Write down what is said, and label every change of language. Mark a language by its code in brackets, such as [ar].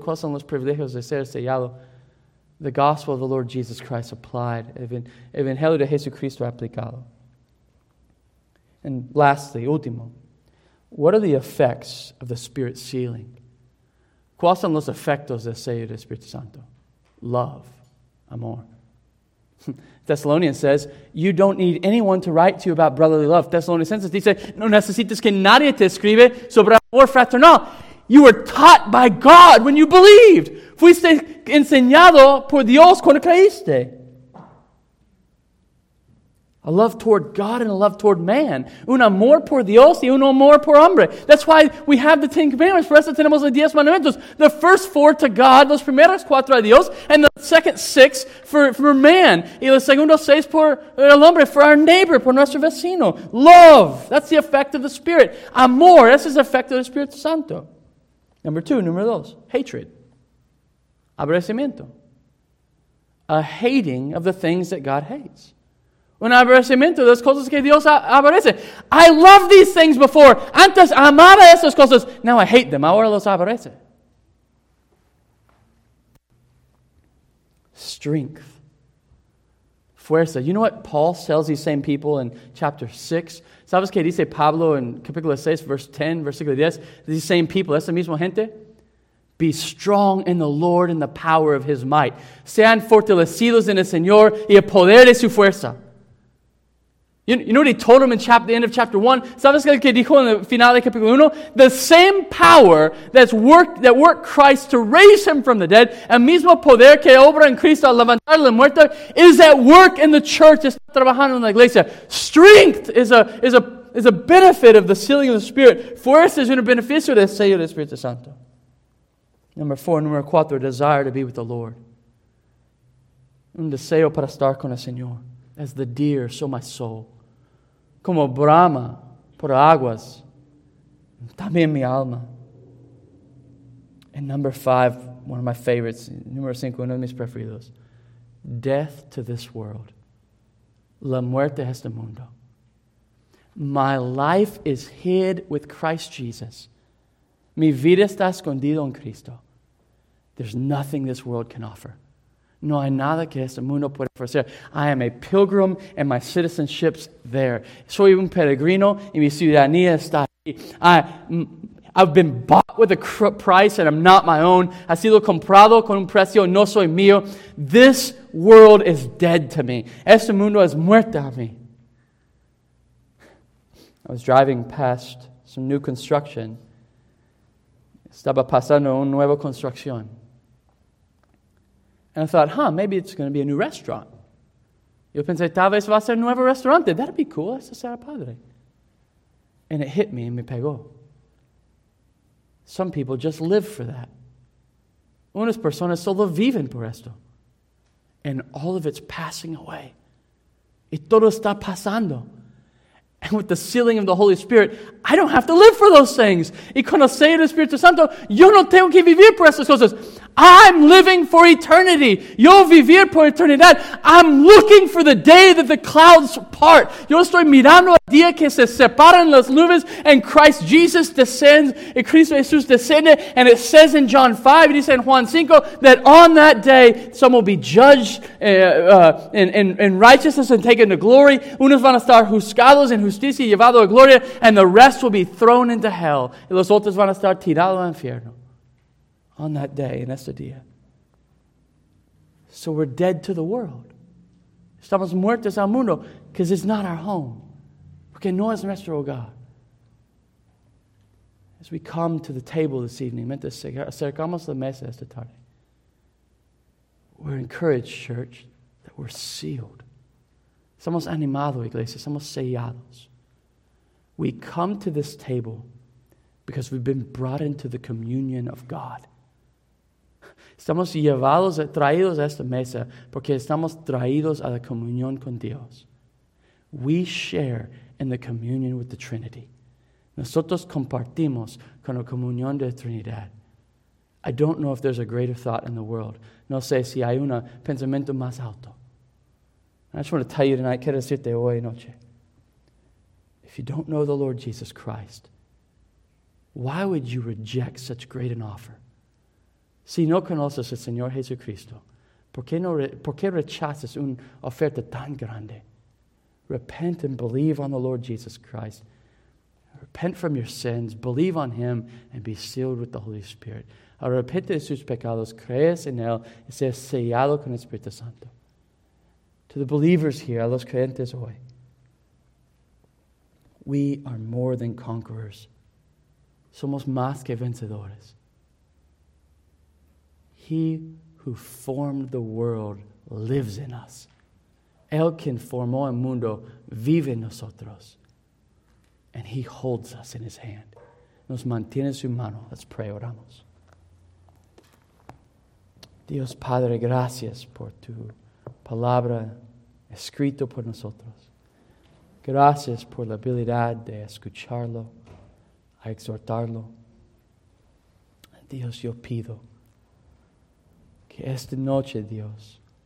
[es] ¿Cuáles son los privilegios de ser sellado? [en] The gospel of the Lord Jesus Christ applied. [es] Evangelio de Jesucristo aplicado. [en] And lastly, [es] último. [en] What are the effects of the Spirit sealing? [es] ¿Cuáles son los efectos del sello del Espíritu Santo? [en] Love, [es] amor. [en] Thessalonians says, you don't need anyone to write to you about brotherly love. [es] Thessalonians dice, no necesitas que nadie te escribe sobre amor fraternal. [en] You were taught by God when you believed. [es] Fuiste enseñado por Dios cuando creíste. [en] A love toward God and a love toward man. [es] Un amor por Dios y un amor por hombre. [en] That's why we have the Ten Commandments. [es] Por eso tenemos los 10 mandamientos. [en] The first 4 to God, [es] los primeros 4 a Dios, [en] and the second 6 for man. [es] Y los segundos 6 por el hombre, [en] for our neighbor, [es] por nuestro vecino. [en] Love, that's the effect of the Spirit. [es] Amor, ese es el efecto del Espíritu Santo. Número dos, [en] hatred. [es] Aborrecimiento. A hating of the things that God hates. Un aborrecimiento, las cosas que Dios aborrece. [en] I loved these things before. [es] Antes amaba esas cosas. [en] Now I hate them. [es] Ahora los aborrece. [en] Strength. [es] Fuerza. [en] You know what Paul tells these same people in chapter 6? [es] ¿Sabes qué dice Pablo en capítulo 6, [en] verse 10, [es] versículo 10? [en] These same people, [es] esa misma gente. [en] Be strong in the Lord and the power of His might. [es] Sean fortalecidos en el Señor y el poder de su fuerza. [en] You know what he told them in the end of chapter 1? [es] ¿Sabes qué que dijo en el final de capítulo 1? [en] The same power that worked Christ to raise Him from the dead, [es] el mismo poder que obra en Cristo al levantar la muerte, [en] is at work in the church, [es] está trabajando en la iglesia. [en] Strength is a benefit of the sealing of the Spirit. [es] Fuerza es un beneficio del sello del Espíritu Santo. [en] Number 4, desire to be with the Lord. [es] Un deseo para estar con el Señor. [en] As the deer, so my soul. [es] Como brama por aguas, también mi alma. [en] And number 5, one of my favorites. [es] Número 5, uno de mis preferidos. [en] Death to this world. [es] La muerte a este mundo. [en] My life is hid with Christ Jesus. [es] Mi vida está escondida en Cristo. [en] There's nothing this world can offer. [es] No hay nada que este mundo puede ofrecer. [en] I am a pilgrim and my citizenship's there. [es] Soy un peregrino y mi ciudadanía está ahí. [en] I've been bought with a price and I'm not my own. [es] Ha sido comprado con un precio, no soy mío. [en] This world is dead to me. [es] Este mundo es muerto a mí. [en] I was driving past some new construction. [es] Estaba pasando una nueva construcción. [en] And I thought, maybe it's going to be a new restaurant. [es] Yo pensé, tal vez va a ser un nuevo restaurante. [en] That'd be cool. [es] Eso será padre. [en] And it hit me and [es] me pegó. [en] Some people just live for that. [es] Unas personas solo viven por esto. [en] And all of it's passing away. [es] Y todo está pasando. [en] And with the sealing of the Holy Spirit, I don't have to live for those things. [es] Y con el sello del Espíritu Santo, yo no tengo que vivir por esas cosas. [en] I'm living for eternity. [es] Yo vivir por eternidad. [en] I'm looking for the day that the clouds part. [es] Yo estoy mirando el día que se separan las nubes [en] and Christ Jesus descends, [es] y Cristo Jesús desciende, [en] and it says in John 5, and it says in Juan 5, that on that day, some will be judged in righteousness and taken to glory. [es] Unos van a estar juzgados en justicia y llevados a gloria, [en] and the rest will be thrown into hell. [es] Y los otros van a estar tirados al infierno. [en] On that day, in [es] ese día. [en] So we're dead to the world. [es] Estamos muertos al mundo, [en] because it's not our home. [es] Porque no es nuestro hogar. [en] As we come to the table this evening, [es] mientras acercamos la mesa esta tarde, [en] we're encouraged, church, that we're sealed. [es] Somos animados, iglesia, somos sellados. [en] We come to this table because we've been brought into the communion of God. [es] Estamos llevados, traídos a esta mesa porque estamos traídos a la comunión con Dios. [en] We share in the communion with the Trinity. [es] Nosotros compartimos con la comunión de la Trinidad. [en] I don't know if there's a greater thought in the world. [es] No sé si hay un pensamiento más alto. [en] I just want to tell you tonight, [es] quiero decirte hoy noche. [en] If you don't know the Lord Jesus Christ, why would you reject such great an offer? [es] Si no conoces al Señor Jesucristo, ¿por qué rechazas una oferta tan grande? [en] Repent and believe on the Lord Jesus Christ. Repent from your sins. Believe on Him and be sealed with the Holy Spirit. [es] Arrepente de sus pecados. Crees en Él y seas sellado con el Espíritu Santo. [en] To the believers here, [es] a los creyentes hoy, [en] we are more than conquerors. [es] Somos más que vencedores. [en] He who formed the world lives in us. [es] El quien formó el mundo vive en nosotros. [en] And He holds us in His hand. [es] Nos mantiene su mano. [en] Let's pray, [es] oramos. Dios Padre, gracias por tu palabra escrito por nosotros. Gracias por la habilidad de escucharlo, a exhortarlo. Dios, yo pido que esta noche, Dios,